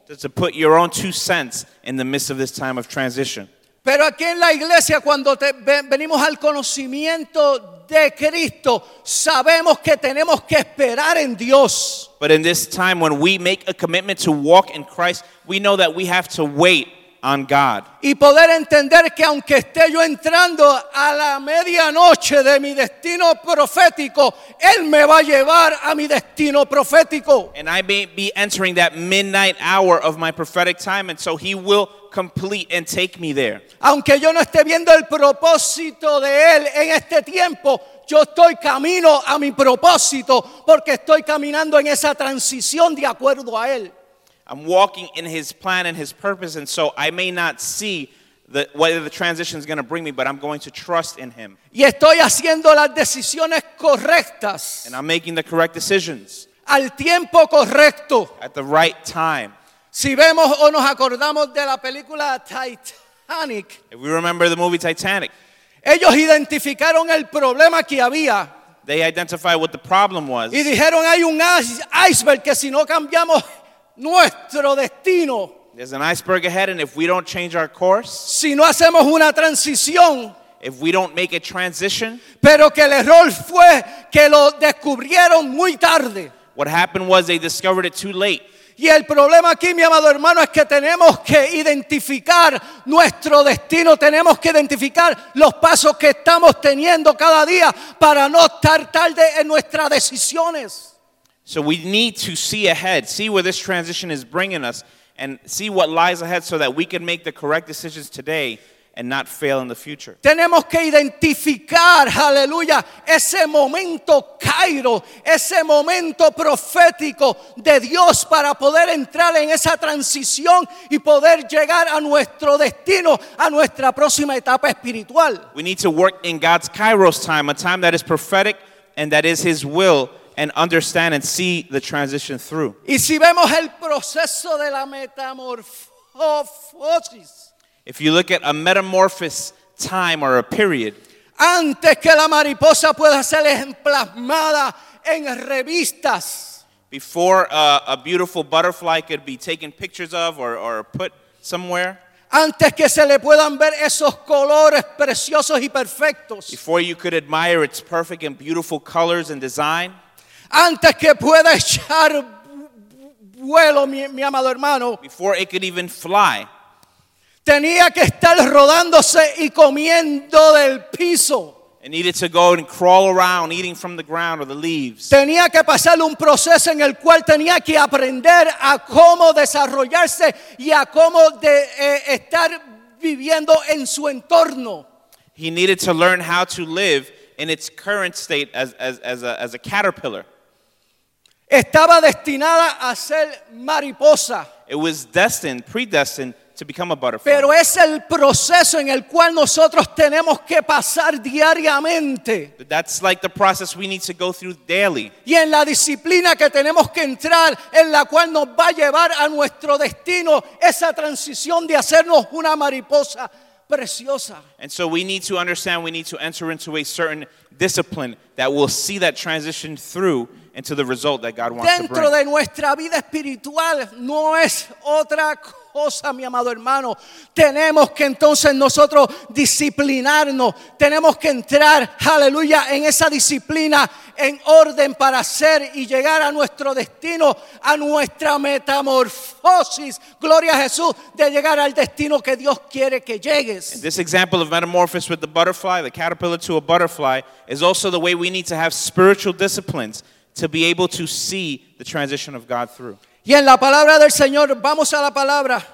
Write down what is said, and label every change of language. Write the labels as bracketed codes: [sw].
[en] To put your own two cents in the midst of this time of transition. [es] Pero aquí en la iglesia cuando venimos al conocimiento de Cristo, sabemos que tenemos que esperar en Dios. [en] But in this time when we make a commitment to walk in Christ, we know that we have to wait on God. [es] Y poder entender que aunque esté yo entrando a la medianoche de mi destino profético, Él me va a llevar a mi destino profético. [en] And I may be entering that midnight hour of my prophetic time, and so He will complete and take me there. [es] Aunque yo no esté viendo el propósito de Él en este tiempo, yo estoy camino a mi propósito porque estoy caminando en esa transición de acuerdo a Él. [en] I'm walking in his plan and his purpose, and so I may not see whether the transition is going to bring me, but I'm going to trust in him. [es] Y estoy haciendo las decisiones correctas. [en] And I'm making the correct decisions. [es] Al tiempo correcto. [en] At the right time. [es] Si vemos o nos acordamos de la película Titanic. [en] If we remember the movie Titanic. [es] Ellos identificaron el problema que había. [en] They identified what the problem was. [es] Y dijeron, hay un iceberg que si no cambiamos nuestro destino. [en] There's an iceberg ahead, and if we don't change our course, [es] si no hacemos una transición, [en] if we don't make a transition, [es] pero que el error fue que lo descubrieron muy tarde. [en] What happened was they discovered it too late. [es] Y el problema aquí, mi amado hermano, es que tenemos que identificar nuestro destino, tenemos que identificar los pasos que estamos teniendo cada día para no estar tarde en nuestras decisiones. [en] So we need to see ahead, see where this transition is bringing us, and see what lies ahead so that we can make the correct decisions today and not fail in the future. [es] Tenemos que identificar, aleluya, ese momento Cairo, ese momento profético de Dios para poder entrar en esa transición y poder llegar a nuestro destino, a nuestra próxima etapa espiritual. [en] We need to work in God's Kairos time, a time that is prophetic and that is his will, and understand and see the transition through. [es] Y si vemos el proceso de la metamorfosis, [en] if you look at a metamorphosis time or a period, [es] antes que la mariposa pueda ser emplasmada en revistas, [en] before a beautiful butterfly could be taken pictures of or put somewhere, [es] antes que se le puedan ver esos colores preciosos y perfectos, [en] before you could admire its perfect and beautiful colors and design, [es] antes que pueda echar vuelo, mi amado hermano, [en] before it could even fly, [es] tenía que estar rodándose y comiendo del piso. [en] It needed to go and crawl around, eating from the ground or the leaves. [es] Tenía que pasar un proceso en el cual tenía que aprender a cómo desarrollarse y a cómo estar viviendo en su entorno. [en] He needed to learn how to live in its current state as a caterpillar. [es] Estaba destinada a ser mariposa. [en] It was destined, predestined to become a butterfly. [es] Pero es el proceso en el cual nosotros tenemos que pasar diariamente. [en] But that's like the process we need to go through daily. [es] Y en la disciplina que tenemos que entrar, en la cual nos va a llevar a nuestro destino, esa transición de hacernos una mariposa preciosa. [en] And so we need to understand, we need to enter into a certain discipline that will see that transition through into the result that God wants to bring. [es] Dentro de nuestra vida espiritual no es otra cosa. cosas, mi amado hermano, tenemos que entonces nosotros disciplinarnos. Tenemos que entrar, aleluya, en esa disciplina, en orden para hacer y llegar a nuestro destino, a nuestra metamorfosis. Gloria a Jesús, de llegar al destino que Dios quiere que llegues. [en] And this example of metamorphosis with the butterfly, the caterpillar to a butterfly, is also the way we need to have spiritual disciplines to be able to see the transition of God through. [es] Y en la palabra del Señor, vamos a la palabra.